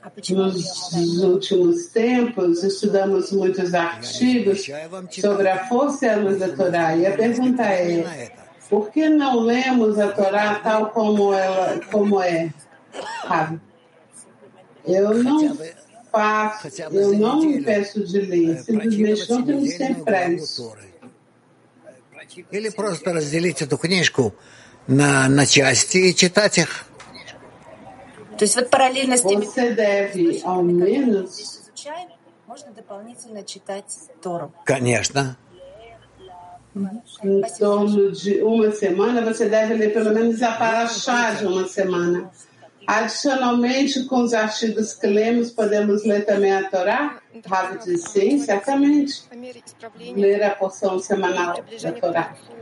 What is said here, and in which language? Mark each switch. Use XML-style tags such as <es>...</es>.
<pt>Nos últimos tempos, estudamos muitos artigos sobre a força e a luz da Torá. E a pergunta é, por que não lemos a Torá tal como ela, como é? Rabi, eu não me peço de ler, simplesmente não temos tempo para isso.</pt> <ru>Или просто разделить эту книжку на части и читать их. То есть вот параллельно с теми, изучаем, можно дополнительно читать Тору. Конечно.</ru> <pt>Em torno de uma semana, você deve ler pelo menos a paraxá de uma semana. Adicionalmente, com os artigos que lemos, podemos ler também a Torá? Rabi diz sim, certamente. Ler a porção semanal da Torá.</pt>